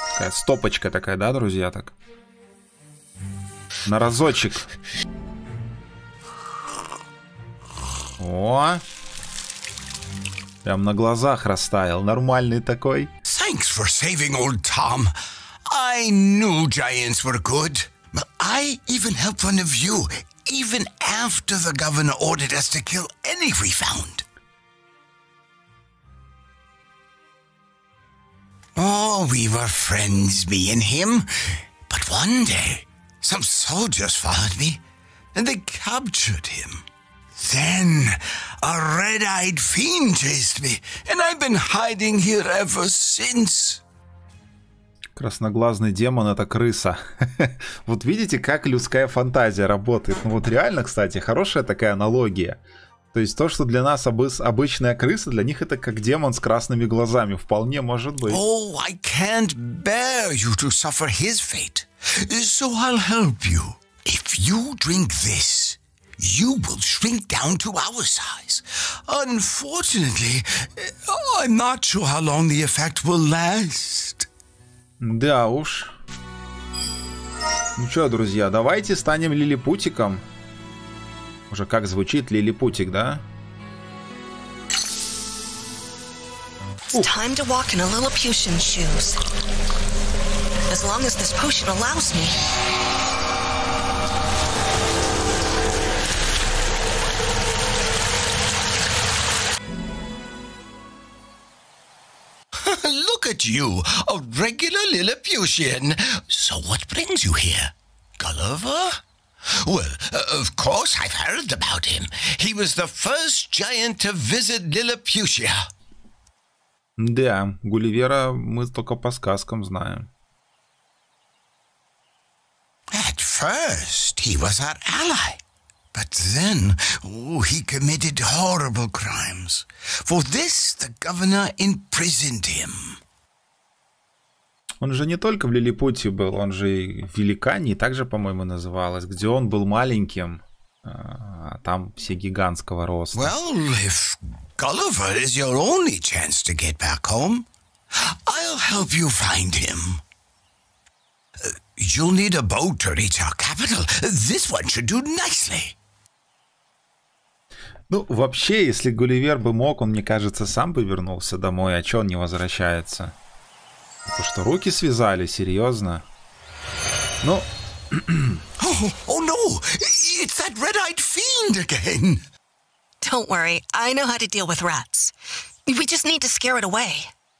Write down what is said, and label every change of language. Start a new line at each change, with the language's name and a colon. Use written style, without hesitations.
Russian: Стопочка такая, да, друзья, так. На разочек. О, прям на глазах растаял, нормальный такой.
English: Thanks for saving old Tom. I knew giants were good. I even helped one of you, even after the governor ordered us to kill any we found. Oh, we were friends, me and him. But one day, some soldiers followed me, and they captured him. Then, a red-eyed fiend chased me, and I've been hiding here ever since.
Russian: Красноглазный демон — это крыса. Вот видите, как людская фантазия работает. Ну вот реально, кстати, хорошая такая аналогия. То есть то, что для нас обычная крыса, для них это как демон с красными глазами. Вполне может быть.
English: Oh, I can't bear you to suffer his fate. So I'll help you. If you drink this, you will shrink down to our size. Unfortunately, I'm not sure how long the effect will last.
Russian: Да уж. Ну что, друзья, давайте станем лилипутиком. Уже как звучит лилипутик, да?
English: It's time to walk in a Lilliputian's shoes. As long as this potion allows me. Look at you, a regular Lilliputian. So what brings you here, Gulliver? Well, of course I've heard about him. He was the first giant to visit Lilliputia.
Russian: Да, Гулливера мы только по сказкам знаем.
English: At first he was our ally, but then he committed horrible crimes. For this the governor imprisoned him.
Russian: Он же не только в Лилипуте был, он же и в Великании также, по-моему, называлось, где он был маленьким, а там все гигантского роста.
English: Well, if Gulliver is your only chance to get back home, I'll help you find him. You'll need a boat to reach our capital. This one should do nicely.
Russian: Ну, вообще, если Гулливер бы мог, он, мне кажется, сам бы вернулся домой, а чё он не возвращается? Потому что руки связали, серьезно. Ну.
English: О, it's that red-eyed fiend again. Don't worry, I know how to deal with rats. We just need to scare it away.